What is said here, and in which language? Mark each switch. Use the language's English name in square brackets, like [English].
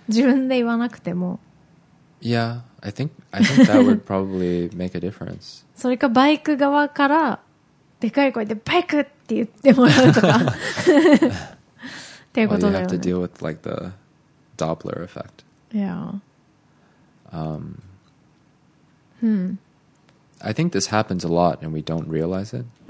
[Japanese] 自分で言わなくても。 [English] Yeah. I think that would probably make a difference. [Japanese] それかバイク側からでかい声でバイクって言ってもらうとかっていうことだよね。 [English] Well, you have to deal with like the Doppler effect. Yeah. I think this happens a lot and we don't realize it.